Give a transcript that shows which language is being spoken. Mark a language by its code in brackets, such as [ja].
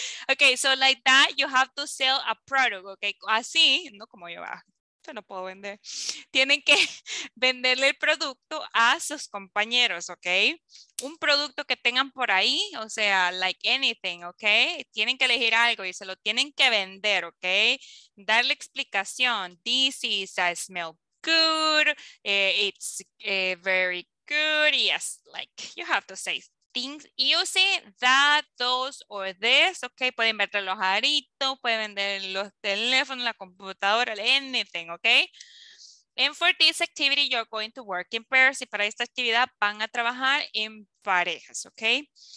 [en] Okay, so like that, you have to sell a product, okay? [es] Así, no como yo va. Yo no puedo vender. Tienen que venderle el producto a sus compañeros, ¿ok? Un producto que tengan por ahí, o sea, [en] like anything, [es] ¿ok? Tienen que elegir algo y se lo tienen que vender, ¿ok? Darle explicación. [en] This is, I smell good. It's very good. Yes, like you have to say things. Use that, those, or this, okay? [es] Pueden vender los aritos, pueden vender los teléfonos, la computadora, anything, okay? [en] And for this activity, you're going to work in pairs. [es] Y para esta actividad, van a trabajar en parejas, okay?